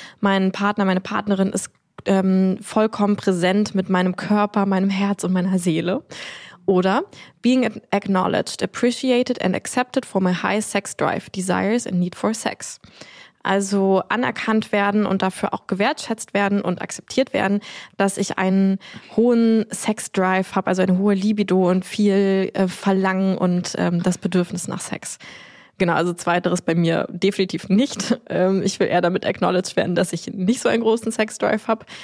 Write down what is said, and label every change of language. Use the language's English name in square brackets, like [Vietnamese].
[German] Mein Partner, meine Partnerin ist vollkommen präsent mit meinem Körper, meinem Herz und meiner Seele. [English] Oder being acknowledged, appreciated and accepted for my high sex drive, desires and need for sex. [German] Also anerkannt werden und dafür auch gewertschätzt werden und akzeptiert werden, dass ich einen hohen Sex-Drive habe, also eine hohe Libido und viel Verlangen und das Bedürfnis nach Sex. Genau, also zweiteres bei mir definitiv nicht. Ich will eher damit acknowledged werden, dass ich nicht so einen großen Sex-Drive habe.